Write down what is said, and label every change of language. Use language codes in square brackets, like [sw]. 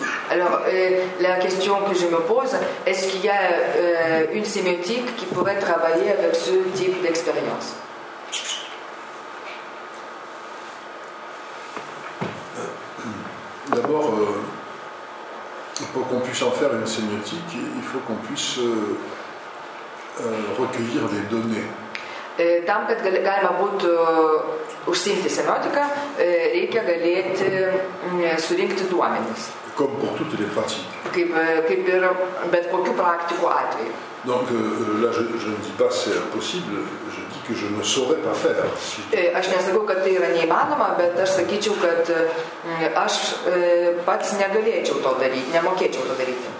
[fr] Alors, la question que je me pose, est-ce qu'il y a une sémiotique qui pourrait travailler avec ce type d'expérience? D'abord, pour qu'on puisse en faire une sémiotique, il faut qu'on puisse recueillir des données. [lt] Tam, kad galima būtų užsiimti semiotiką, reikia galėti surinkti duomenis. [fr] Comme pour toutes les pratiques. [lt] Kaip ir bet kokių praktikų atveju. [fr] Donc là, je ne dis pas c'est impossible, je dis que je ne saurais pas faire. [lt] Aš nesakau, kad tai yra neįmanoma, bet aš sakyčiau, kad aš pats negalėčiau to daryti, nemokėčiau to daryti.